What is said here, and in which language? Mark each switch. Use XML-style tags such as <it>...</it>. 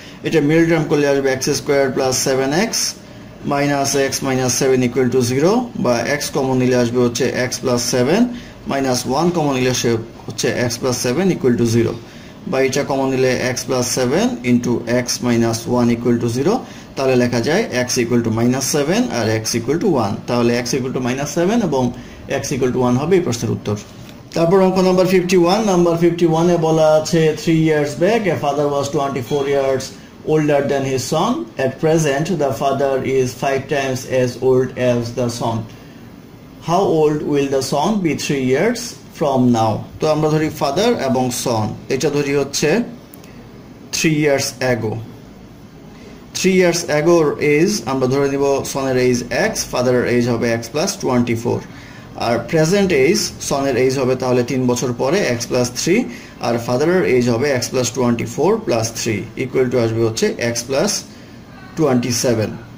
<bn>এটা middle term করলে আসবে x² + 7x - x - 7 equal to 0, বা x কমন নিলে আসবে হচ্ছে x+7 - 1 কমন নিলে সে হচ্ছে x+7 ইকুয়াল টু 0, বা এটা কমন নিলে x+7 × x - 1 ইকুয়াল টু 0। তাহলে লেখা যায় x = -7 আর x = 1। তাহলে x = -7 এবং x = 1 হবে এই প্রশ্নের উত্তর। তারপর অঙ্ক নাম্বার 51। নাম্বার 51 এ বলা আছে</bn> <en>3 years back a father was 24 years older than his son, at present the father is 5 times as old as the son, how old will the son be 3 years from now?</en> <bn>তো আমরা ধরি father এবং সন, এটা ধরি হচ্ছে</bn> <en>3 years ago। 3 years ago</en> <bn>age আমরা ধরে নিব, সনের এজ এক্স, ফাদারের এজ হবে x+24, আর প্রেজেন্ট এজ সনের এজ হবে তাহলে 3 বছর পরে x+3, আর ফাদারের এজ হবে x+24+3 ইকুয়াল টু আসবে হচ্ছে x+27।</bn>